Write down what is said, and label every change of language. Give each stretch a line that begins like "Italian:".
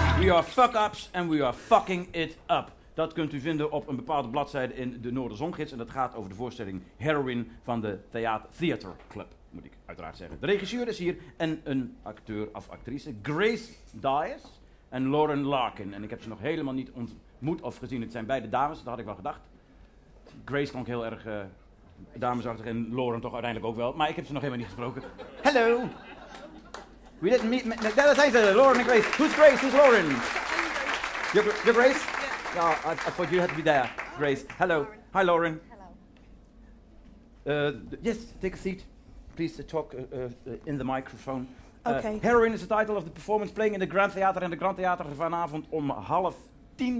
English: are fuck-ups and we are fucking it up.
Dutch: Dat kunt u vinden op een bepaalde bladzijde in de Noorderzongids. En dat gaat over de voorstelling Heroin van de Theater Club, moet ik uiteraard zeggen. De regisseur is hier en een acteur of actrice, Grace Dias en Lauren Larkin. En ik heb ze nog helemaal niet ontmoet of gezien. Het zijn beide dames, dat had ik wel gedacht. Grace klonk heel erg damesachtig en Lauren toch uiteindelijk ook wel. Maar ik heb ze nog helemaal niet gesproken. Hallo!
English: We didn't meet...
Dutch: Dat zijn ze, Lauren en Grace.
English: Who's Grace? Who's Lauren? You're Grace? Yeah. Oh, I thought you had to be there. Grace. Hello. Lauren. Hi, Lauren. Hello. Yes, take a seat. Please talk in the microphone. Okay. Heroin is the title of the performance playing in the Grand Theater. In the Grand Theater
Dutch: vanavond om 9:30.